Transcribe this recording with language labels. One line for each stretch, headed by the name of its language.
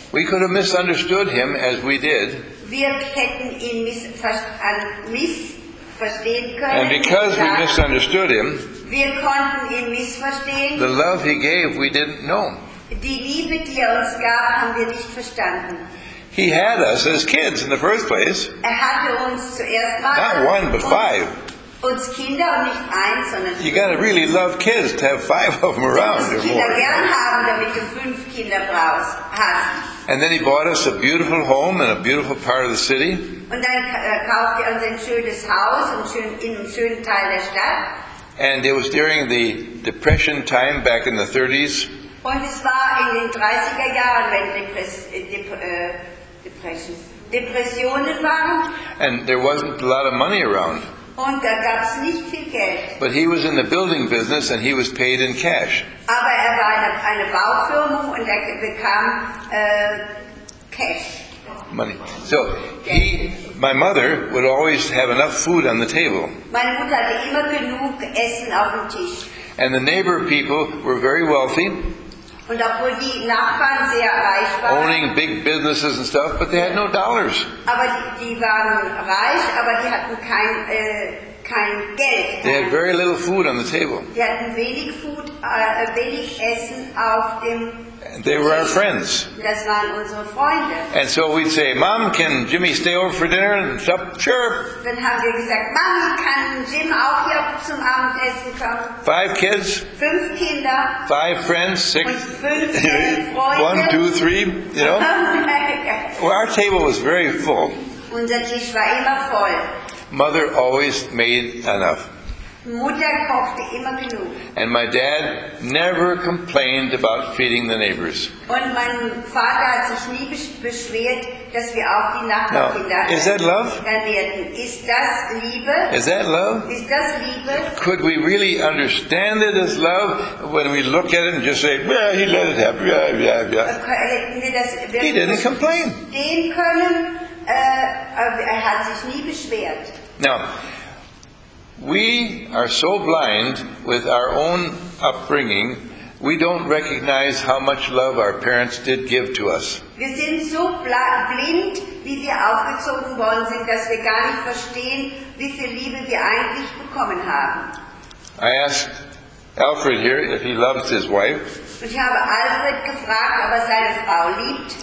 English: We could have misunderstood him as we did.
German: Wir hätten ihn missverstehen können.
English: And because we misunderstood him,
German: wir konnten ihn missverstehen.
English: The love he gave, we didn't know.
German: Die Liebe, die er uns gab, haben wir nicht verstanden.
English: He had us as kids in the first place.
German: Er hatte uns zuerst mal.
English: Not one, but five.
German: Uns Kinder und nicht eins, sondern
English: you got to really love kids to have five of them around.
German: Du musst Kinder gern haben, damit du fünf Kinder brauchst.
English: And then he bought us a beautiful home in a beautiful part of the city.
German: Und dann kaufte er uns ein schönes Haus in einem schönen Teil der Stadt.
English: And it was during the Depression time back in the 30s.
German: Und es war in den 30er Jahren, wenn Depressionen waren.
English: And there wasn't a lot of money around.
German: Und da gab's nicht viel Geld.
English: But he was in the building business and he was paid in cash.
German: Aber er war eine Baufirma und bekam Cash.
English: Money. So my mother would always have enough food on the table.
German: Meine Mutter hatte immer genug Essen auf dem Tisch.
English: And the neighbor people were very wealthy.
German: Und obwohl die Nachbarn sehr reich waren.
English: Owning big businesses and stuff, but they had no dollars.
German: Aber die waren reich, aber die hatten kein Geld.
English: They had very little food on the table.
German: Die hatten wenig Essen auf dem Tisch.
English: They were our friends.
German: Das waren unsere Freunde.
English: And so we'd say, Mom, can Jimmy stay over for dinner and stuff? Sure.
German: Dann haben wir gesagt, Mami, kann Jim auch hier zum Abendessen kommen?
English: Five kids.
German: Fünf Kinder.
English: Five friends. Six.
German: Und fünf Freunde.
English: One, two, three. You know. Well, our table was very full.
German: Unser Tisch war immer voll.
English: Mother always made enough.
German: Mutter kochte immer genug.
English: And my dad never complained about feeding the neighbors.
German: Und mein Vater hat sich nie beschwert, dass wir auch die Nachbarkinder ernährten.
English: Is that love?
German: Ist das Liebe?
English: Is that love?
German: Ist das Liebe?
English: Could we really understand it as love when we look at it and just say, yeah, he let it happen, yeah, yeah, yeah. Okay, he didn't complain.
German: Den können, er hat sich nie beschwert.
English: Now, we are so blind with our own upbringing, we don't recognize how much love our parents did give to us.
German: Wir sind so blind, wie wir aufgezogen worden sind, dass wir gar nicht verstehen, wie viel Liebe wir eigentlich bekommen haben.
English: I asked Alfred here if he loves his wife.
German: Und ich habe Alfred gefragt, ob er seine Frau liebt.